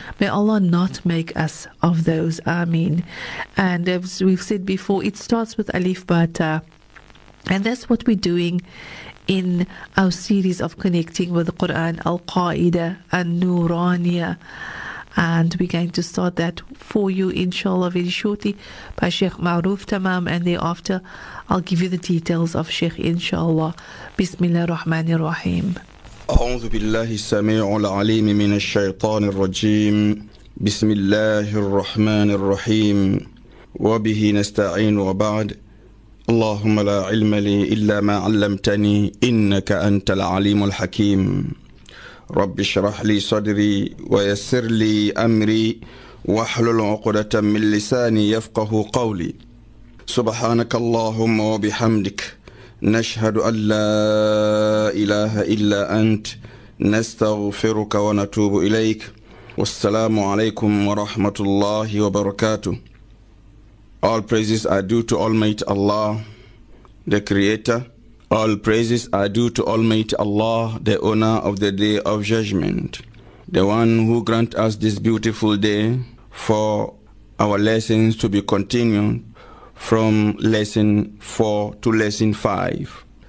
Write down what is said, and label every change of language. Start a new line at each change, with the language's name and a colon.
English: May Allah not make us of those. Ameen. And as we've said before, it starts with Alif Bata, and that's what we're doing in our series of connecting with the Quran, Al-Qaida and Nurania. And we're going to start that for you, inshallah, very shortly by Sheikh Maruf Tamam. And thereafter, I'll give you the details of Sheikh, inshallah. Bismillah ar-Rahman ar-Rahim.
Arabic: أعوذ بالله السميع العليم من الشيطان الرجيم بسم الله الرحمن الرحيم وبه نستعين وبعد اللهم لا علم لي إلا ما علمتني إنك أنت العليم الحكيم رب اشرح لي صدري ويسر لي أمري واحلل عقدة من لساني يفقه قولي سبحانك اللهم وبحمدك نشهد أن لا إله إلا أنت نستغفرك ونتوب إليك والسلام عليكم ورحمة الله وبركاته
English: All praises are due to Almighty Allah, the Creator. All praises are due to Almighty Allah, the owner of the Day of Judgment, the one who grant us this beautiful day for our lessons to be continued from lesson 4 to lesson 5.